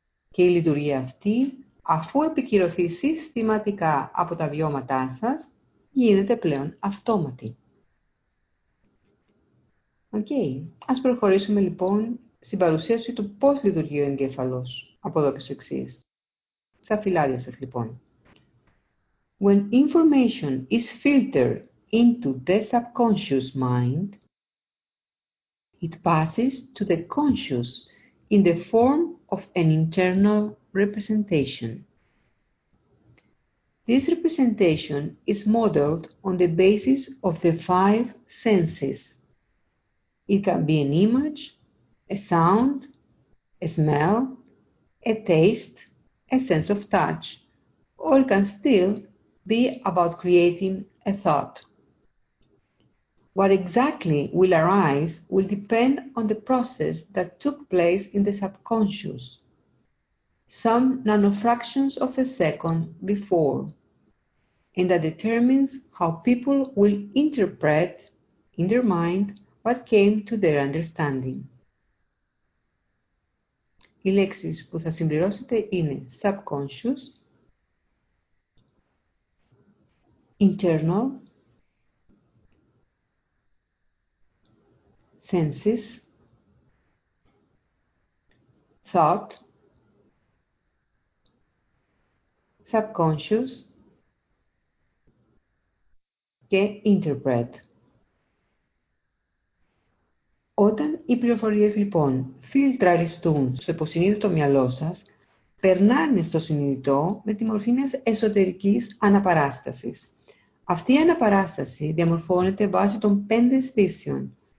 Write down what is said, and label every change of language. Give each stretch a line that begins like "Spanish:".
Greek: Και η λειτουργία αυτή, αφού επικυρωθεί συστηματικά από τα βιώματά σας, γίνεται πλέον αυτόματη. Okay. Ας προχωρήσουμε λοιπόν στην παρουσίαση του πώς λειτουργεί ο εγκέφαλος από εδώ και στο εξής. Στα φυλάδια σας λοιπόν.
English: When information is filtered into the subconscious mind, it passes to the conscious in the form of an internal representation. This representation is modeled on the basis of the five senses. It can be an image, a sound, a smell, a taste, a sense of touch, or it can still be about creating a thought. What exactly will arise will depend on the process that took place in the subconscious, some nanofractions of a second before, and that determines how people will interpret in their mind what came to their understanding.
Greek: Οι λέξεις που θα συμπληρώσετε είναι
English: subconscious, internal, senses, thought, subconscious
Greek: και
English: interpret.
Greek: Όταν οι πληροφορίες λοιπόν φιλτραριστούν στο υποσυνείδητο μυαλό σας, περνάνε στο συνειδητό με τη μορφή μιας εσωτερικής αναπαράστασης. Αυτή η αναπαράσταση διαμορφώνεται βάσει των 5 αισθήσεων.